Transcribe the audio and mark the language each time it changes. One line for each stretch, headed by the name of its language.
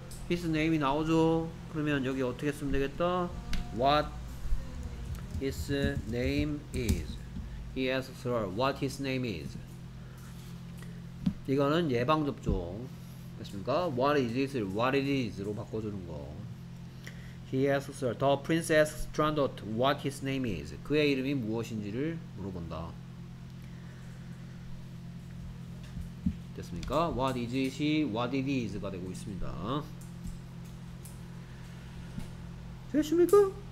English: his name
Korean: 이 나오죠. 그러면 여기 어떻게 쓰면 되겠다?
English: what his name is. he asks her what his name is.
Korean: 이거는 예방접종 됐습니까?
English: what is it? what it is로
Korean: 바꿔주는 거.
English: he asks her, the princess Strandot, what his name is.
Korean: 그의 이름이 무엇인지를 물어본다. 됐습니까?
English: what is it? what it is
Korean: 가 되고 있습니다. 됐습니까?